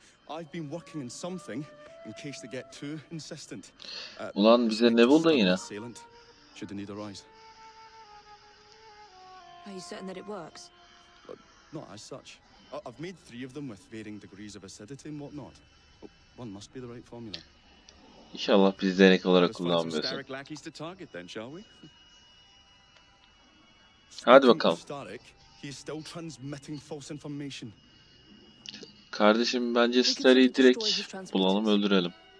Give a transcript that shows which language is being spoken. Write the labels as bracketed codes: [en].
[en] I've been working in something in case they get too insistent. [tr] Ulan bize ne buldun yine? [en] Should the need arise. Are you certain that it works? Not as such. I've made three of them with varying degrees of acidity and whatnot. One must be the right formula. [tr] İnşallah biz denek olarak kullanmıyorsun. [en] Target, then, shall we? [tr] Hadi bakalım. [en] He's still transmitting false information. [tr] Kardeşim bence Slary'i direkt bulalım, öldürelim.